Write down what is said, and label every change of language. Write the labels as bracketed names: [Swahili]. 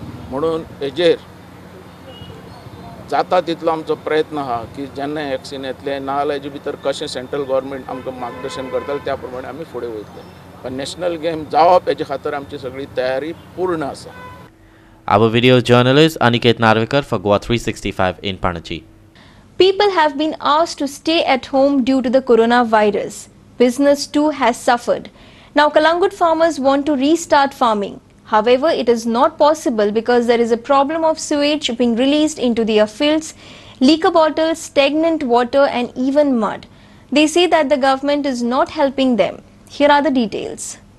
[Goan Konkani] म्हणून हेजेर जाता तितलो आमचो प्रयत्न आहा की जेन्ना वॅक्सीन येतलें नाजाल्यार हेजे भितर कशें सेंट्रल गोवर्मेंट आमकां मार्गदर्शन करतलें त्या प्रमाणे आमी फुडें वयतले. पण नॅशनल गेम जावप हेजे खातीर आमची सगळी तयारी पूर्ण आसा. [English] Our video journalist Aniket Narvekar for Goa 365 in Panaji. People have been asked to stay at home due to the corona virus. Business too has suffered. Now Calangute farmers want to restart farming. However, it is not possible because there is a problem of sewage being released into their fields, leaker bottles, stagnant water and even mud. They say that the government is not helping them. Here are the details.